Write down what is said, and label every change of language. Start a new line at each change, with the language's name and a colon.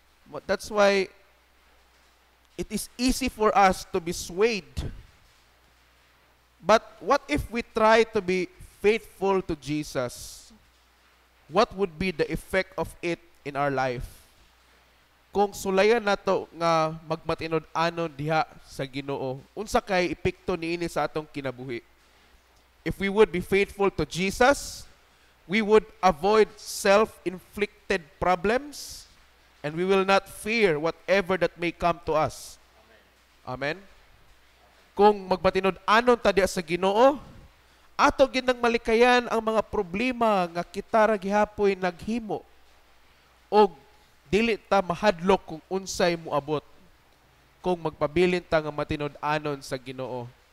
English: Huh? That's why it is easy for us to be swayed. But what if we try to be faithful to Jesus? What would be the effect of it in our life?
Cebuano: Kung sulayan nato nga magmatinod anon diha sa Ginoo, unsa kay epekto niini sa atong kinabuhi?
English: If we would be faithful to Jesus, we would avoid self-inflicted problems and we will not fear whatever that may come to us. Amen.
Cebuano: Kung magmatinod anon ta diha sa Ginoo, ato ginang malikayan ang mga problema nga kita ra gihapoy naghimo og dili ta mahadlok kung unsay muabot kung magpabilin ta nga matinud-anon sa Ginoo.